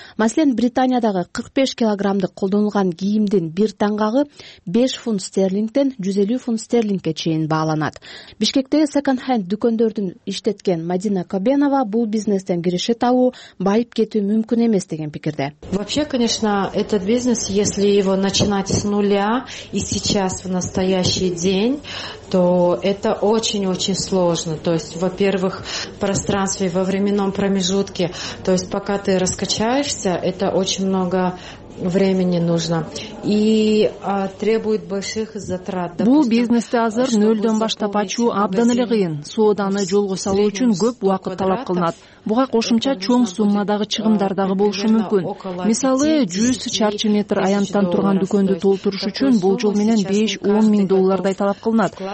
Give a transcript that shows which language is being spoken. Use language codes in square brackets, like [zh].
[ky] Маселен, Британиядагы 45 килограммдык колдонулган кийимдин бир таңгагы 5 фунт стерлингден 150 фунт стерлингке чейин бааланат. Бишкекте секонд-хенд дүкөндөрдүн иштеткен Мадина Кабенова бул бизнестен кириши табуу байып кетүү мүмкүн эмес деген пикирде. [ru] Вообще, конечно, этот бизнес, если его начинать с нуля и сейчас в настоящий день, то это очень-очень сложно. То есть, во-первых, в пространстве во временном промежутке, то есть пока ты раскачаешься, это очень много времени нужно и требует больших затрат. [ky] Бул бизнести азыр нөлдөн баштап ачуу абдан эле кыйын. Сууданы жолго салуу үчүн көп убакыт талап кылынат. Буга кошумча чоң суммадагы чыгымдар дагы болушу мүмкүн. Мисалы, 100 чарчы метр аянттан турган дүкөндү толтуруш үчүн болжол менен 5-10 миң доллардай талап кылынат.